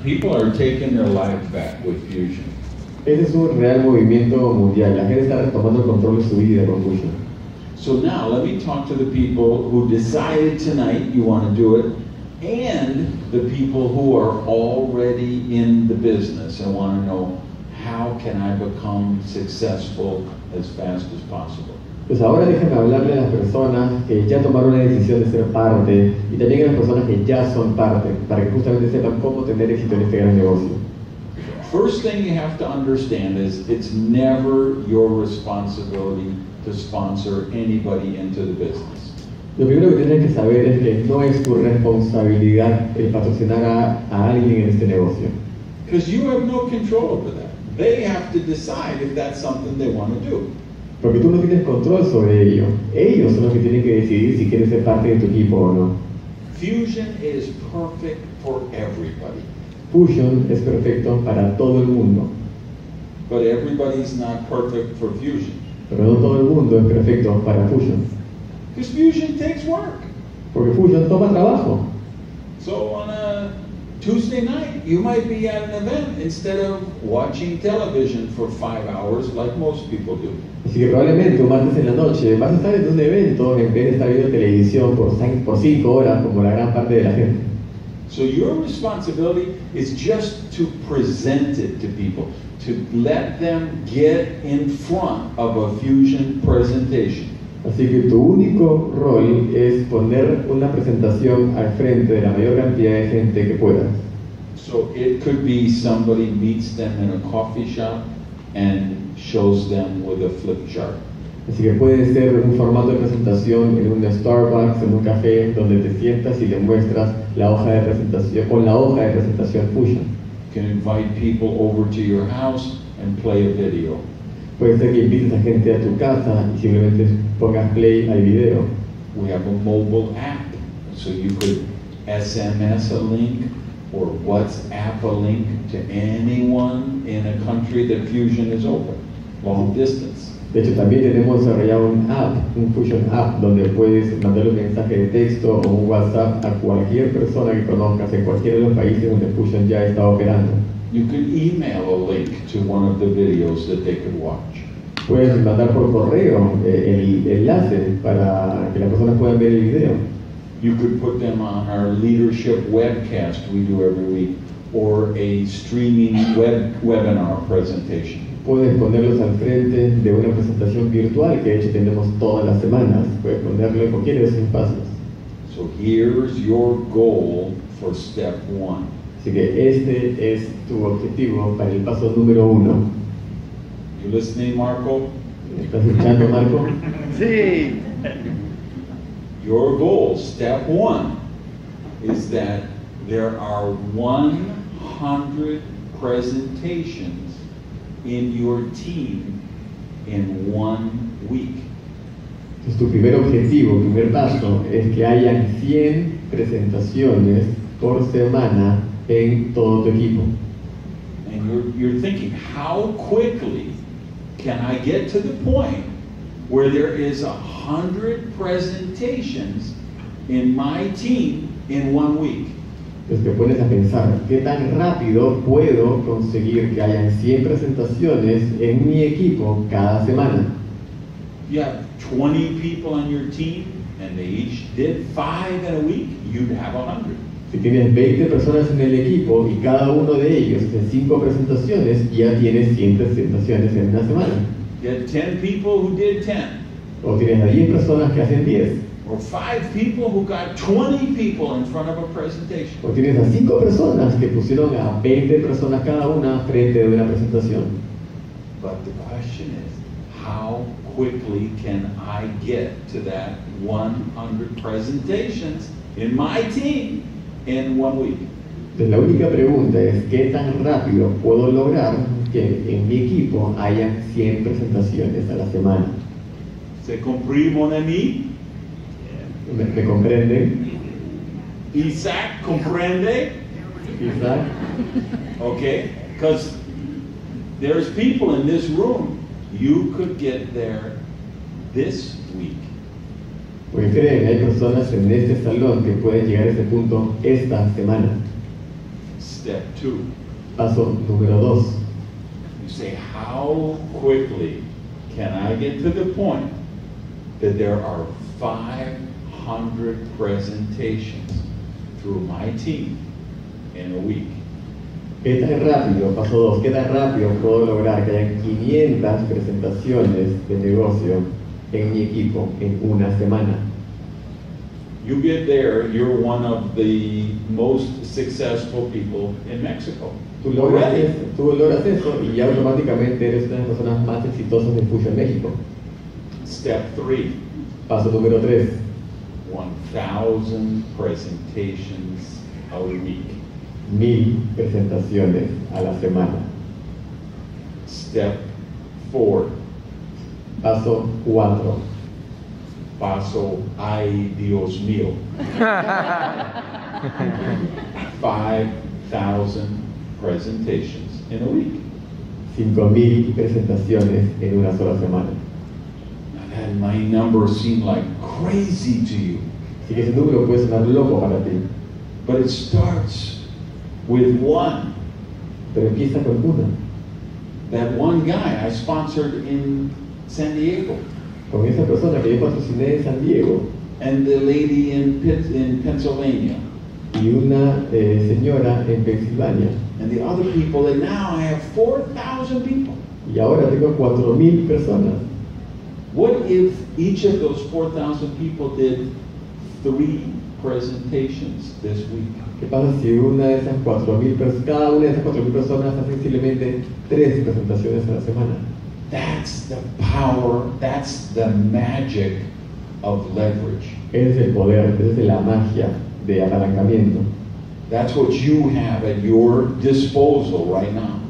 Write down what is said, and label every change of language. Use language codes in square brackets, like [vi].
[en] People are taking their life back with Fusion. [es] Este es un real movimiento mundial. La gente está retomando el control de su vida con Fusion. [en] So now let me talk to the people who decided tonight you want to do it, and the people who are already in the business and want to know how can I become successful as fast as possible. [es] Pues ahora déjenme hablarle a las personas que ya tomaron la decisión de ser parte y también a las personas que ya son parte para que justamente sepan cómo tener éxito en este gran negocio. [en] First thing you have to understand is it's never your responsibility to sponsor anybody into the business. [es] Lo primero que tienes que saber es que no es tu responsabilidad el patrocinar a alguien en este negocio. [en] Because you have no control over that. They have to decide if that's something they want to do. [es] Porque tú no tienes control sobre ello. Ellos son los que tienen que decidir si quieren ser parte de tu equipo o no. [en] Fusion is perfect for everybody. [es] Fusion es perfecto para todo el mundo. [en] But everybody's not perfect for Fusion. [es] Pero no todo el mundo es perfecto para Fusion. [en] Because Fusion takes work. [es] Porque Fusion toma trabajo. [en] So on a Tuesday night, you might be at an event instead of watching television for 5 hours like most people do. [es] Así que probablemente un martes en la noche vas a estar en un evento en vez de estar viendo televisión por 5 horas como la gran parte de la gente. [en] So your responsibility is just to present it to people, to let them get in front of a Fusion presentation. [es] Así que tu único rol es poner una presentación al frente de la mayor cantidad de gente que puedas. [en] So it could be somebody meets them in a coffee shop and shows them with a flip chart. [es] Así que puede ser un formato de presentación en un Starbucks, en un café, donde te sientas y le muestras la hoja de presentación con la hoja de presentación Fusion. [en] Can invite people over to your house and play a video. [es] Puede ser que invites a gente a tu casa y simplemente pongas play al video. [en] We have a mobile app, so you could SMS a link or WhatsApp a link to anyone in a country that Fusion is open, long distance. [es] De hecho, también tenemos desarrollado un app, un Fusion app, donde puedes mandar un mensaje de texto o un WhatsApp a cualquier persona que conozcas en cualquiera de los países donde Fusion ya está operando. [en] You could email a link to one of the videos that they could watch. [es] Puedes mandar por correo el enlace para que las personas puedan ver el video. [en] You could put them on our leadership webcast we do every week, or a streaming webinar presentation. [es] Puedes ponerlos al frente de una presentación virtual que de hecho tenemos todas las semanas. Puedes ponerlo en cualquiera de esos espacios. [en] So here's your goal for step one. [es] Así que este es tu objetivo para el paso número uno. [en] You listening, Marco? [es] ¿Estás escuchando, Marco? Sí. [en] Your goal, step one, is that there are 100 presentations in your team in 1 week. [es] Entonces, tu primer objetivo, primer paso, es que haya 100 presentaciones por semana en todo tu equipo. [en] And you're thinking, how quickly can I get to the point where there is 100 presentations in my team in 1 week? [es] Pues te pones a pensar, ¿qué tan rápido puedo conseguir que hayan 100 presentaciones en mi equipo cada semana? [en] You have 20 people on your team and they each did 5 in a week, you'd have 100. [es] Si tienes 20 personas en el equipo y cada uno de ellos hace 5 presentaciones, ya tienes 100 presentaciones en una semana. [en] You have 10 people who did 10. [es] O tienes a 10 personas que hacen 10. [en] Or 5 people who got 20 people in front of a presentation. [es] O tienes a 5 personas que pusieron a 20 personas cada una frente de una presentación. [en] But the question is, how quickly can I get to that 100 presentations in my team in 1 week? [es] Entonces, la única pregunta es, ¿qué tan rápido puedo lograr que en mi equipo haya 100 presentaciones a la semana? ¿Se comprende, [fr] mon ami? [es] ¿Me comprende? ¿Isaac comprende? ¿Isaac? [en] Ok, because there's people in this room, you could get there this week. [es] Porque creen, hay personas en este salón que pueden llegar a ese punto esta semana. [en] Step 2. [es] Paso número 2. [en] You say, how quickly can I get to the point that there are 500 presentations through my team in a week? [es] ¿Qué tan rápido, paso 2, qué tan rápido puedo lograr que haya 500 presentaciones de negocio en mi equipo en una semana? [en] You get there, you're one of the most successful people in Mexico. [es] Tú logras eso y ya automáticamente eres una de las personas más exitosas de Fusion México. [en] Step 3. [es] Paso número 3. [en] 1,000 presentations a week. [es] 1,000 presentaciones a la semana. [en] Step 4. [es] Paso 4. Paso, ay Dios mío. [en] 5,000 presentations in a week. [es] 5,000 presentaciones en una sola semana. [en] Now that my number seem like crazy to you. [es] Así que ese número puede sonar loco para ti. [en] But it starts with one. [es] Pero empieza con una. [en] That one guy I sponsored in San Diego. [es] Con esa persona que yo patrociné en San Diego. [en] And the lady in Pennsylvania. [es] Y una señora en Pensilvania. [en] And the other people, and now I have 4,000 people. [es] Y ahora tengo 4,000 personas. [en] What if each of those 4,000 people did 3 presentations this week? [es] ¿Qué pasa si una de esas 4,000 personas, cada una de esas 4,000 personas hace simplemente 3 presentaciones a la semana? [en] That's the power, that's the magic of leverage. [es] Ese es el poder, esa es la magia de apalancamiento. [en] That's what you have at your disposal right now.